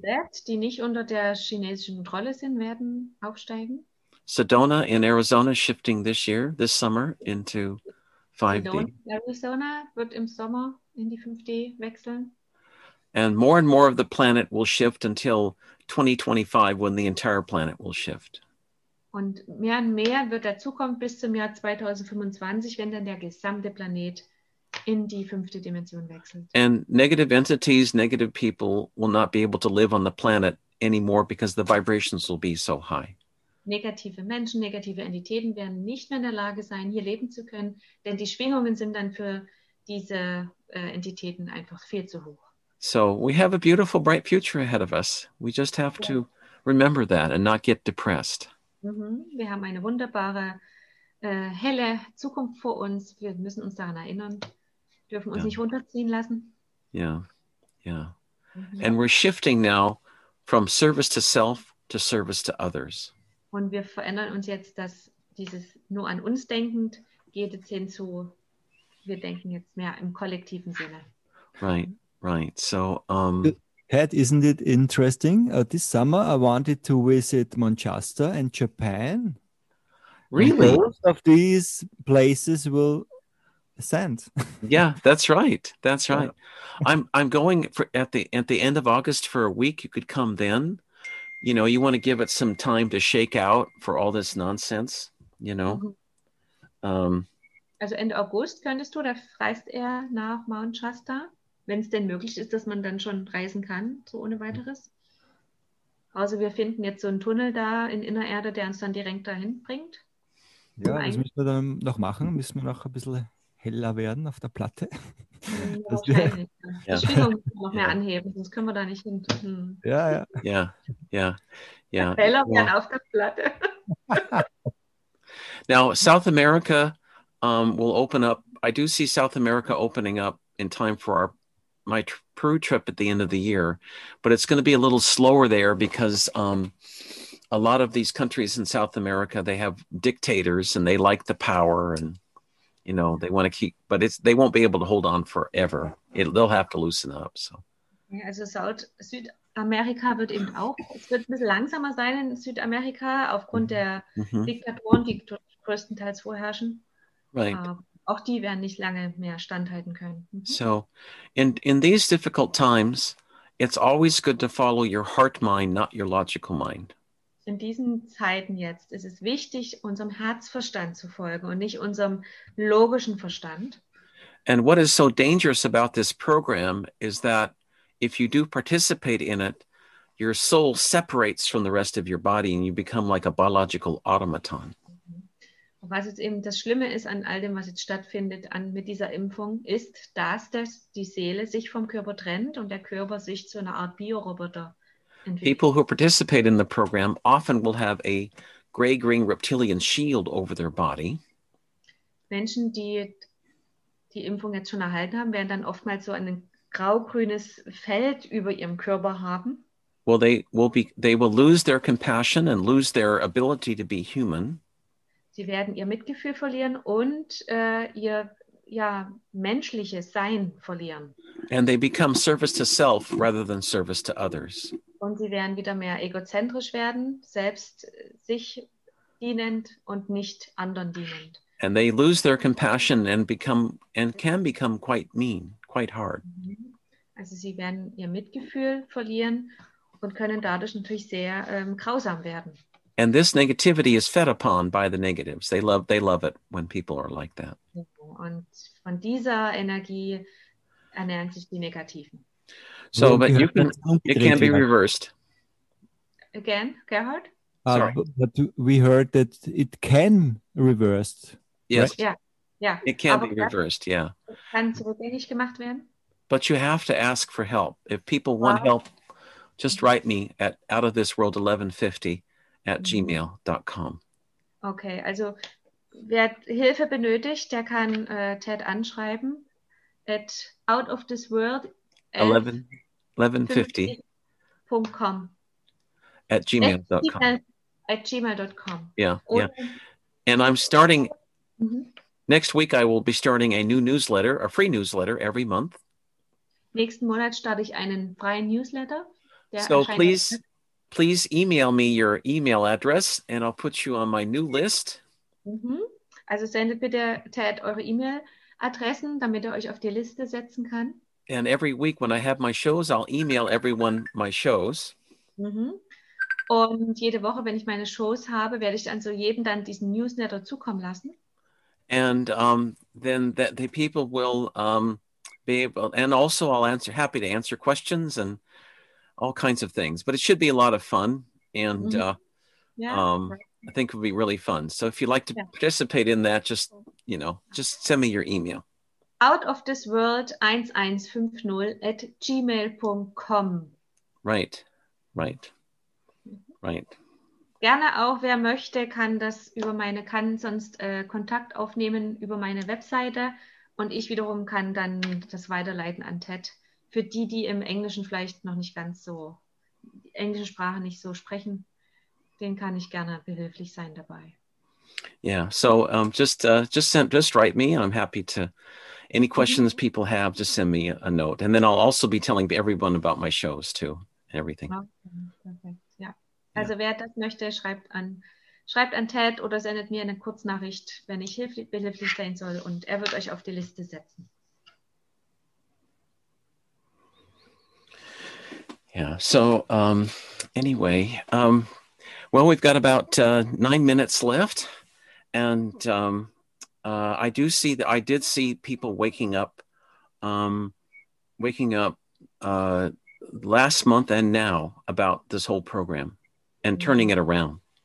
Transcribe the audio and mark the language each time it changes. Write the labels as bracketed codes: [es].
[de] Tibet, die nicht unter der chinesischen Kontrolle sind, werden aufsteigen. [en] Sedona in Arizona shifting this year, this summer into 5D. [de] Arizona wird im Sommer in die 5D wechseln. [en] And more and more of the planet will shift until 2025, when the entire planet will shift. [de] Und mehr wird dazukommen bis zum Jahr 2025, wenn dann der gesamte Planet in die fünfte Dimension wechselt. [en] And negative entities, negative people will not be able to live on the planet anymore because the vibrations will be so high. [de] Negative Menschen, negative Entitäten werden nicht mehr in der Lage sein, hier leben zu können, denn die Schwingungen sind dann für diese Entitäten einfach viel zu hoch. [en] So we have a beautiful, bright future ahead of us. We just have to remember that and not get depressed. [de] Wir haben eine wunderbare helle Zukunft vor uns. Wir müssen uns daran erinnern. Wir dürfen uns nicht runterziehen lassen. [en] And we're shifting now from service to self to service to others. [de] Und wir verändern uns jetzt, dass dieses nur an uns denkend geht jetzt hin zu, wir denken jetzt mehr im kollektiven Sinne. [en] Right. So, Pat, isn't it interesting? This summer I wanted to visit Manchester and Japan. Really? Most of these places will ascend. Yeah, that's right. That's right. I'm going for at the end of August for a week. You could come then. You know, you want to give it some time to shake out for all this nonsense, you know. [de] Also Ende August könntest du, da reist er nach Manchester. Wenn es denn möglich ist, dass man dann schon reisen kann, so ohne weiteres. Also wir finden jetzt so einen Tunnel da in Innererde, der uns dann direkt dahin bringt. Ja, das müssen wir dann noch machen. Müssen wir noch ein bisschen heller werden auf der Platte. Ja, okay. Die Schwingung noch mehr anheben, sonst können wir da nicht hin. Ja. Heller werden auf der Platte. [en] Now, South America will open up. I do see South America opening up in time for my Peru trip at the end of the year, but it's going to be a little slower there because a lot of these countries in South America, they have dictators and they like the power and, you know, they want to keep, but they won't be able to hold on forever. They'll have to loosen up. So. [de] Ja, also Südamerika wird eben auch, es wird ein bisschen langsamer sein in Südamerika aufgrund der Diktatoren, die größtenteils vorherrschen. [en] Right. [de] Auch die werden nicht lange mehr standhalten können. [en] So, in these difficult times, it's always good to follow your heart mind, not your logical mind. [de] In diesen Zeiten jetzt ist es wichtig, unserem Herzverstand zu folgen und nicht unserem logischen Verstand. [en] And what is so dangerous about this program is that if you do participate in it, your soul separates from the rest of your body and you become like a biological automaton. [de] Was jetzt eben das Schlimme ist an all dem, was jetzt stattfindet mit dieser Impfung, ist, dass die Seele sich vom Körper trennt und der Körper sich zu einer Art Bioroboter entwickelt. [en] People who participate in the program often will have a gray-green reptilian shield over their body. [de] Menschen, die die Impfung jetzt schon erhalten haben, werden dann oftmals so ein grau-grünes Feld über ihrem Körper haben. [en] Well, they will lose their compassion and lose their ability to be human. [de] Sie werden ihr Mitgefühl verlieren und ihr menschliches Sein verlieren. [en] And they become service to self rather than service to others. [de] Und sie werden wieder mehr egozentrisch werden, selbst sich dienend und nicht anderen dienend. [en] And they lose their compassion and become and can become quite mean, quite hard. [de] Also sie werden ihr Mitgefühl verlieren und können dadurch natürlich sehr grausam werden. [en] And this negativity is fed upon by the negatives. They love it when people are like that. [de] Und von dieser Energie ernähren sich die Negativen. [en] So, but you can, it can be reversed. Again, Gerhard? Sorry. But we heard that it can reverse. Yes. Right? Yeah. It can be reversed, yeah. [de] Kann zurückgängig gemacht werden. [en] But you have to ask for help. If people want help, just write me at outofthisworld1150@gmail.com. [de] Okay, also wer Hilfe benötigt, der kann Ted anschreiben at outofthisworld1150.com. [en] @gmail.com. Yeah, [de] oder, [en] yeah. And I'm starting next week. I will be starting a new newsletter, a free newsletter every month. [de] Nächsten Monat starte ich einen freien Newsletter. [en] Please email me your email address and I'll put you on my new list. [de] Also sendet bitte Ted eure E-Mail-Adressen, damit euch auf die Liste setzen kann. [en] And every week when I have my shows, I'll email everyone my shows. [de] Und jede Woche, wenn ich meine Shows habe, werde ich dann so jedem dann diesen Newsletter zukommen lassen. [en] And then that the people will be able, and also I'll answer, happy to answer questions and all kinds of things, but it should be a lot of fun. And I think it would be really fun. So if you'd like to participate in that, just, you know, just send me your email. outofthisworld1150@gmail.com. Right. [de] Gerne auch, wer möchte, kann das über meine, kann sonst Kontakt aufnehmen über meine Webseite und ich wiederum kann dann das weiterleiten an Ted. Für die, die im Englischen vielleicht noch nicht ganz so, die englische Sprache nicht so sprechen, denen kann ich gerne behilflich sein dabei. [en] Yeah, so just write me and I'm happy to, any questions people have, just send me a note. And then I'll also be telling everyone about my shows too and everything. Okay. Perfect. Yeah. [de] Also wer das möchte, schreibt an Ted oder sendet mir eine Kurznachricht, wenn ich behilflich sein soll und er wird euch auf die Liste setzen. [en] Yeah, so anyway, well, we've got about 9 minutes left. And I do see that I did see people waking up last month and now about this whole program and turning it around.